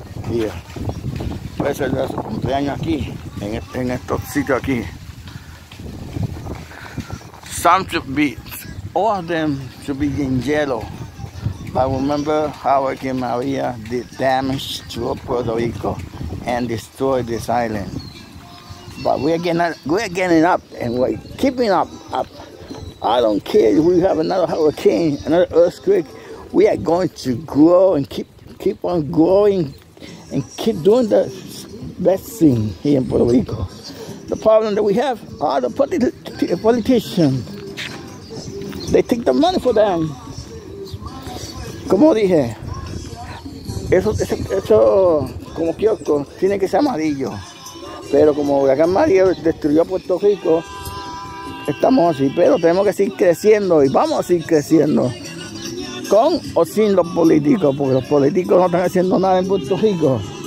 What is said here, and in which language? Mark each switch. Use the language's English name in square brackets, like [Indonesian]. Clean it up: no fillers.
[Spanish] Y puede celebrar su cumpleaños aquí, en este sitio aquí. [English] Some should be, all of them should be in yellow. I remember how Hurricane Maria did damage to Puerto Rico and destroyed this island. But we're getting up and we're keeping up. I don't care if we have another hurricane, another earthquake. We are going to grow and keep on growing and keep doing the best thing here in Puerto Rico. The problem that we have are the politicians. They take the money for them. [Spanish] Como dije, eso como kiosco tiene que ser amarillo. Pero como Huracán María destruyó Puerto Rico, estamos así. Pero tenemos que seguir creciendo y vamos a seguir creciendo. Con o sin los políticos, porque los políticos no están haciendo nada en Puerto Rico.